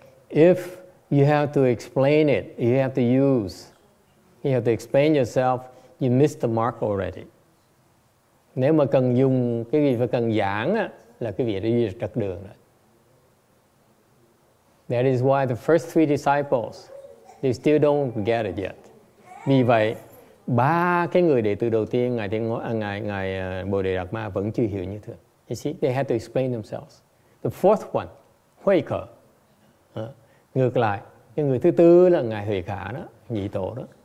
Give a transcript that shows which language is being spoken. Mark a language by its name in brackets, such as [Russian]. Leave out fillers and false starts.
[English] If you have to explain it, you have to explain yourself, you missed the mark already. [Vietnamese] Nếu mà cần dùng, cái gì phải cần giảng á, là cái việc đó đi trật đường rồi. [English] That is why the first three disciples, they still don't get it yet. [Vietnamese] Vì vậy, ba cái người đệ tử đầu tiên, ngài Bồ Đề Đạt Ma vẫn chưa hiểu như thường. [English] You see, they had to explain themselves. The fourth one, Huệ Khở. [Vietnamese] Ngược lại, cái người thứ tư là ngài Huệ Khả đó, nhị tổ đó.